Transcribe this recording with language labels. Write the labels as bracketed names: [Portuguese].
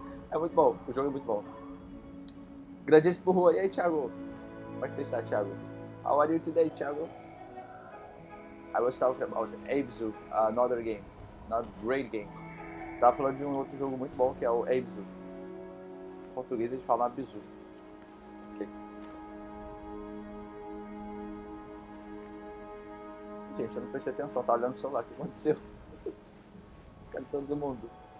[Portuguese] É muito bom, o jogo é muito bom. Grandes porra. E aí, Thiago? Como é que você está, Thiago? [English] How are you today, Thiago? I was talking about Abzu, another game. Another great game. [Portuguese] Tava falando de um outro jogo muito bom, que é o Abzu. Em português, eles falam Abzu. Ok. Gente, eu não prestei atenção. Tava olhando o celular. O que aconteceu? Cantando do mundo.